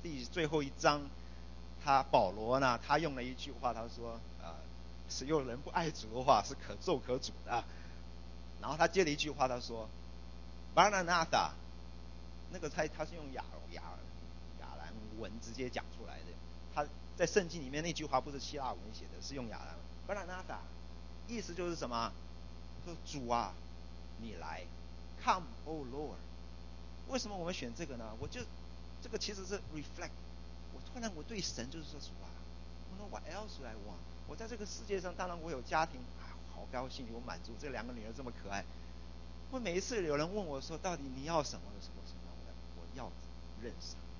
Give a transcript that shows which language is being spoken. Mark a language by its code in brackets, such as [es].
[zh] 第最后一章，他保罗呢，他用了一句话，他说啊，使用人不爱主的话是可咒可诅的。然后他接了一句话，他说 ，Maranatha， 那个他是用亚兰文直接讲出来的。他在圣经里面那句话不是希腊文写的，是用亚兰 Maranatha， 意思就是什么？说主啊，你来 ， [en] Come, O Lord。 [zh] 为什么我们选这个呢？我就这个其实是 reflect， 我突然我对神就是说主啊 ， [en] What else do I want？ [zh] 我在这个世界上，当然我有家庭。好高兴，我满足，这两个女儿这么可爱。我每一次有人问我说，到底你要什么的时候，我要认识。